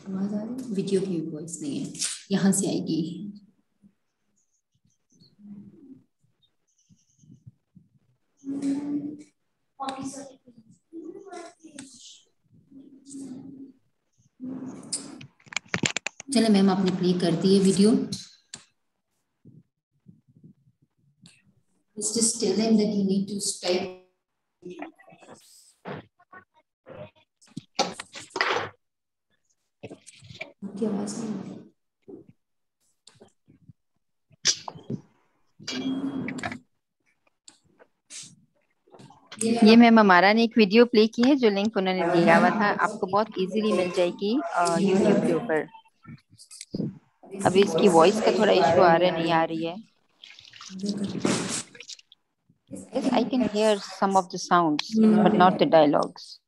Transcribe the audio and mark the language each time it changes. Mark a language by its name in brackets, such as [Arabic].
[Hindi] आवाज आ रही है, वीडियो की वॉइस नहीं है, यहां से आएगी. चले मैम, आपने प्ले कर दी है video. [English] Let's just tell them that you need to stay. [Hindi] ये मैम हमारा ने एक वीडियो प्ले की है जो लिंक उन्होंने दिया हुआ था, आपको बहुत इजीली मिल जाएगी यूट्यूब के ऊपर. अभी इसकी वॉइस का थोड़ा इशू आ रहा है, नहीं आ रही है. [English] Yes, I can hear some of the sounds, but not the dialogues.